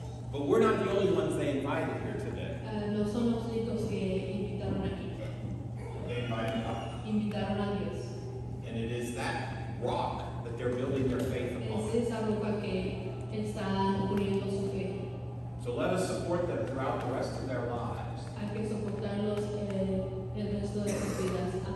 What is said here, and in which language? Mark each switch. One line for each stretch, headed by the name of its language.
English: But we're not the only ones they invited here today.
Spanish: No somos los únicos que invitaron aquí.
English: They invited God.
Spanish: Invitaron a Dios.
English: And it is that rock that they're building their faith upon.
Spanish: Es esa roca que están poniendo su fe.
English: So let us support them throughout the rest of their lives.
Spanish: Hay que soportarlos el resto de sus vidas.